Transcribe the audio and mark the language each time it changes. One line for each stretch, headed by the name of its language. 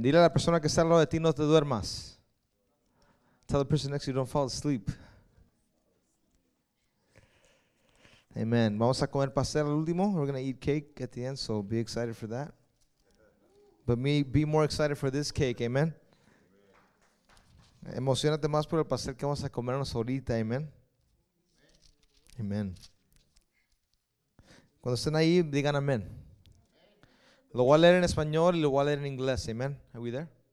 Spanish: Dile a la persona que está al lado de ti, no te duermas.
English: Tell the person next to you, don't fall asleep. Amen.
Spanish: Vamos a comer pastel al último.
English: We're going to eat cake at the end, so be excited for that. But me, be more excited for this cake. Amen.
Spanish: Emocionate más por el pastel que vamos a comernos ahorita. Amen. Amen. Cuando estén ahí, digan amén. Lo voy a leer en español y lo voy a leer en inglés. Amen.
English: Are we there?